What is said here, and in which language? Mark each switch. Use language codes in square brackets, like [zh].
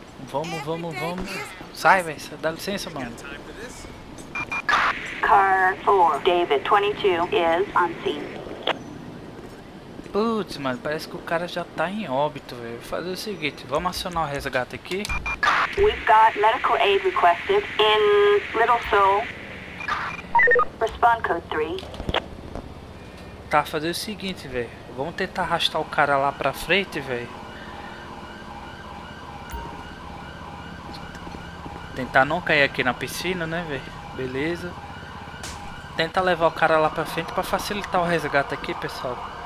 [pt] Vamos, vamos, vamos. Sai, velho. Dá licença, mano. [en] Car 4, David 22, is on scene. [pt] Putz, mano. Parece que o cara já tá em óbito, velho. Vou fazer o seguinte: vamos acionar o resgate aqui. [en] We've got medical aid requested in Little Soul. Respond code 3. [pt] Tá, fazer o seguinte, velho. Vamos tentar arrastar o cara lá pra frente, velho. Tentar não cair aqui na piscina, né, velho. Beleza. Tenta levar o cara lá pra frente pra facilitar o resgate aqui, pessoal.